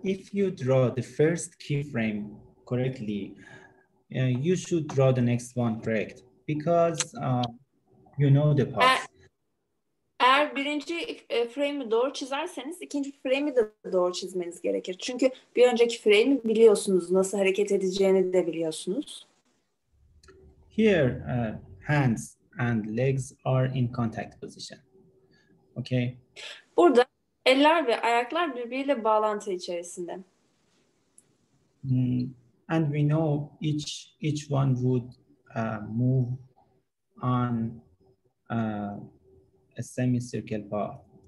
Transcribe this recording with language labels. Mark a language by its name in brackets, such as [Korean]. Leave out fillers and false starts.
[English] If you draw the first keyframe correctly, you should draw the next one correct because you know the path. [Turkish] Eğer birinci frame'i doğru çizerseniz ikinci frame'i de doğru çizmeniz gerekir. Çünkü bir önceki frame'i biliyorsunuz, nasıl hareket edeceğini de biliyorsunuz. [English] Here, hands and legs are in contact position. Okay. [Turkish] Burada eller ve ayaklar birbiriyle bağlantı içerisinde. [English] And we know each one would move on a semicircle path.